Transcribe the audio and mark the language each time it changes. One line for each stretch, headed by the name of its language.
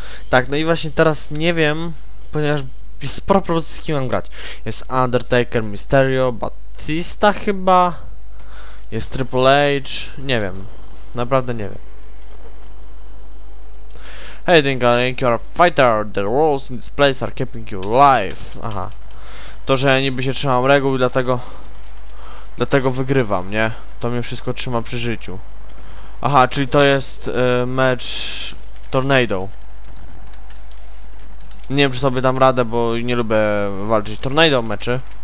Polish: Tak, no i właśnie teraz nie wiem, ponieważ jest sporo propozycji, z kim mam grać. Jest Undertaker, Mysterio, Batista chyba. Jest Triple H, nie wiem, naprawdę nie wiem.
English: Hey, think you're a fighter, the rules in this place are keeping you alive.
Polish: Aha, to, że ja niby się trzymam reguł, dlatego wygrywam, nie? To mnie wszystko trzyma przy życiu. Aha, czyli to jest mecz Tornado. Nie wiem, czy sobie dam radę, bo nie lubię walczyć Tornado meczy.